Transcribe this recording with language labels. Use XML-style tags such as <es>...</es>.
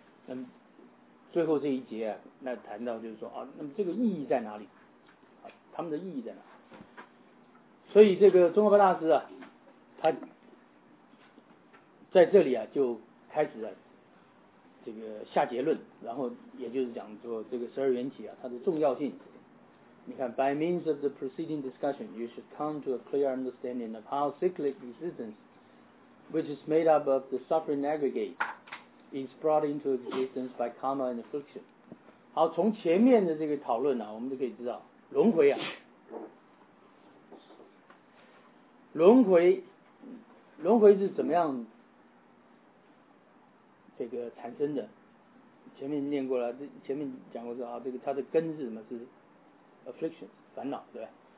<zh>那么最后这一节、啊、那谈到就是说、哦、那么这个意义在哪里，他们的意义在哪？所以这个中国八大师啊，他在这里啊就开始了这个下结论，然后也就是讲说这个十二缘起啊它的重要性。你看</zh> <en>，By means of the preceding discussion, you should come to a clear understanding of how cyclic existence, which is made up of the suffering aggregate, is brought into existence by karma and affliction.</en> <zh>好，从前面的这个讨论呢、啊，我们就可以知道。轮回啊，轮回是怎么样这个产生的？前面念过了，前面讲过说啊，这个它的根是什么？是 affliction 烦恼，对吧？</zh>